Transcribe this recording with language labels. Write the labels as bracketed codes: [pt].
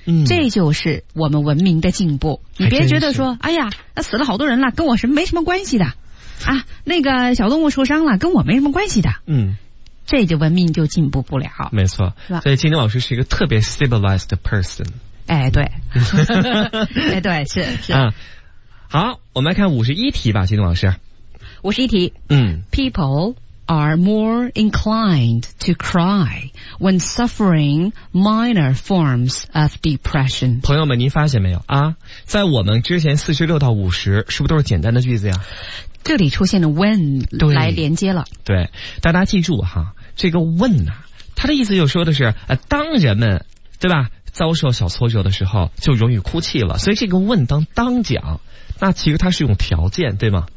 [zh] 这就是我们文明的进步。你别觉得说，哎呀，那死了好多人了，跟我什么没什么关系的，啊，那个小动物受伤了，跟我没什么关系的。这就文明就进步不了。没错，所以金东老师是一个特别 [en] civilized person。 [zh] 哎，对，哎，对，是啊。好，我们来看51题吧，金东老师。 51题。 [en] People are more inclined to cry when suffering minor forms of depression。 [zh] 朋友们您发现没有啊？在我们之前46到50是不是都是简单的句子呀？这里出现了 when 来连接了。对，大家记住哈，这个 when 啊，它的意思就说的是当人们，对吧，遭受小挫折的时候就容易哭泣了，所以这个 when 当讲，那其实它是一种条件，对吗？